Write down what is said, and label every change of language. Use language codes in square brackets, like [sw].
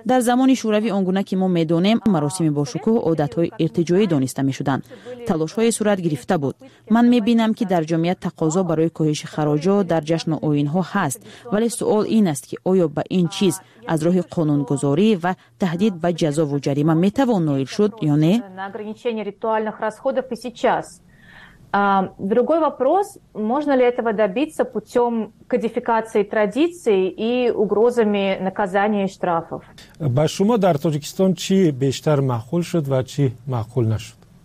[tg] Дар замони шӯравӣ он гуна ки мо медонем, маросими бошукӯҳ одатҳои иртиҷоӣ дониста мешуданд. Талошҳое сурат гирифта буд. Ман мебинам, ки дар ҷомеа тақозо барои коҳиши хароҷот дар ҷашну оинҳо ҳаст, вале суол ин аст, ки оё ба ин чиз аз роҳи қонунгузорӣ ва таҳдид ба ҷазову ҷарима метавон ноил шуд ё не? [ru] Актуальных расходов и сейчас. Другой вопрос, можно ли этого добиться путем кодификации традиций и угрозами наказания и штрафов? [tg] Башумо дар Тоҷикистон чи бештар маҳқул шуд ва чи маҳқул нашуд?